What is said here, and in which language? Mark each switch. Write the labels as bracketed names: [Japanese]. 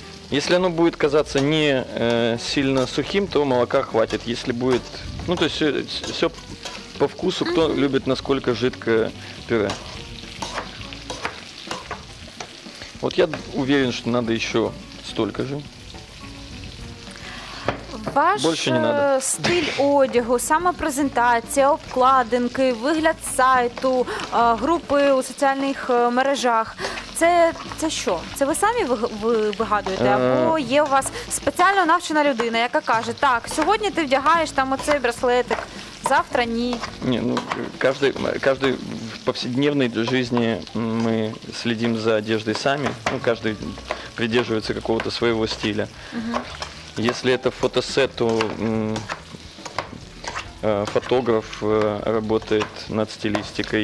[Russian] Если оно будет казаться не сильно сухим, то молока хватит. Если будет... Ну, то есть все... По вкусу, кто любит, насколько жидкое пюре. Вот я уверен, что надо еще столько же. Ваш больше не надо. [Ukrainian] Стиль одягу, самопрезентація, обкладинки, вигляд сайту, групи у соціальних мережах. Це що? Це ви самі вигадуєте? Або є у вас спеціально навчена людина, яка каже, так, сьогодні ти вдягаєш там оцей браслетик. Завтра ні. [Russian] Ні, ну, каждый в повседневной жизни мы следим за одеждой сами. Ну, каждый придерживается какого-то своего стиля. Угу. Если это фотосет, то фотограф работает над стилистикой.